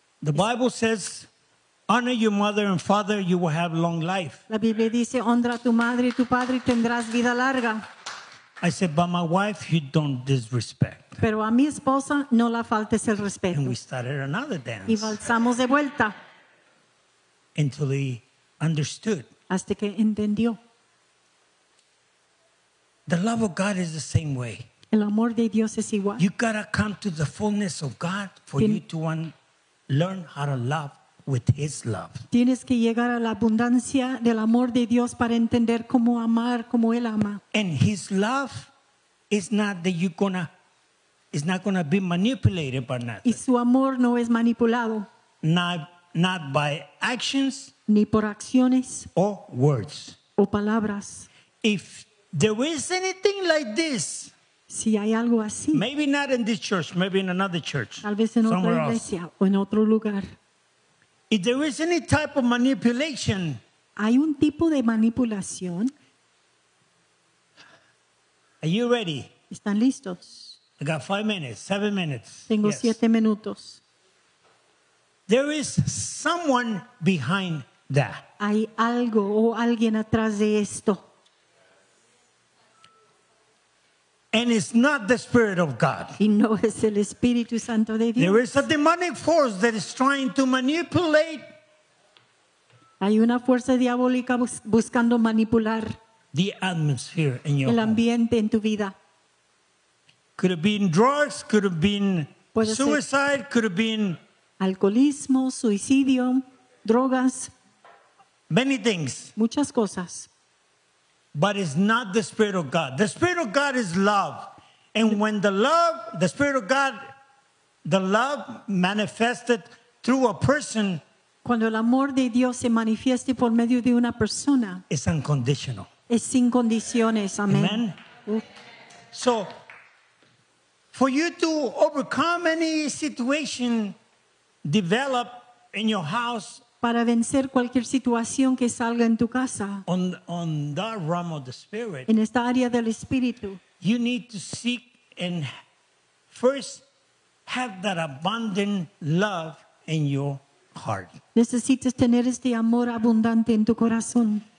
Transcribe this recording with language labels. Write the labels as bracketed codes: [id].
[en] The Bible says, honor your mother and father, you will have long life. [es] La Biblia dice, honra a tu madre y tu padre y tendrás vida larga. [en] I said, but my wife, you don't disrespect. [es] Pero a mi esposa no la faltes el respeto. [en] And we started another dance. [es] Y valsamos de vuelta. [en] Until he understood. [es] Hasta que entendió. [en] The love of God is the same way. [es] El amor de Dios es igual. [en] You gotta come to the fullness of God for you to learn how to love with his love. [es] Tienes que llegar a la abundancia del amor de Dios para entender cómo amar como él ama. [en] And his love is not that you're gonna, it's not gonna be manipulated by nothing. [es] Y su amor no es manipulado. [en] Not by actions. [es] Ni por acciones. [en] Or words. [es] O palabras. [en] If there is anything like this. [es] Si hay algo así. [en] Maybe not in this church, maybe in another church. [es] Tal vez en otra iglesia o en otro lugar. [en] If there is any type of manipulation, [es] hay un tipo de manipulación. [en] Are you ready? [es] ¿Están listos? [en] I got 5 minutes, 7 minutes. [es] Tengo [en] yes. [es] 7 minutos. [en] There is someone behind that. [es] Hay algo o alguien atrás de esto. [en] And it's not the Spirit of God. [es] Y no es el Espíritu Santo de Dios. [en] There is a demonic force that is trying to manipulate. [es] Hay una fuerza diabólica buscando manipular [en] the atmosphere in your [es] el ambiente [en] home. [es] En tu vida. [en] Could have been drugs, could have been [es] puede [en] suicide, could have been [es] alcoholismo, suicidio, drogas. [en] Many things. [es] Muchas cosas. [en] But it's not the Spirit of God. The Spirit of God is love. And when the Spirit of God, the love manifested through a person. [es] Cuando el amor de Dios se manifieste por medio de una persona. [en] It's unconditional. [es] Es sin condiciones. Amen. [en] Amen. So, for you to overcome any situation develop in your house. [es] Para vencer cualquier situación que salga en tu casa. [en] On that realm of the spirit, [es] en esta área del espíritu. [en] You need to seek and first have that abundant love in your heart. [es] Necesitas tener este amor abundante en tu corazón.